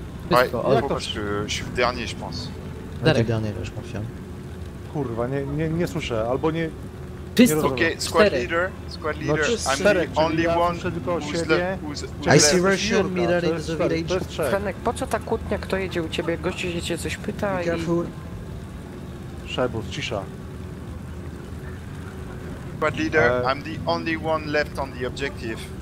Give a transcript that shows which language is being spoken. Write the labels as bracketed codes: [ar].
[fr] Ouais, parce que je suis le dernier, je pense. Darek. Dernier, je confirme. [pl] Kurwa, nie słyszę, albo nie... [en] Okay, squad leader. I'm the only one who's left. I see Russian leader in the village. [pl] Franek, po co ta kłótnia, kto jedzie u ciebie? Gościu się cię coś pyta i... Szajbus, cisza. [en] Squad leader, I'm the only one left on the objective.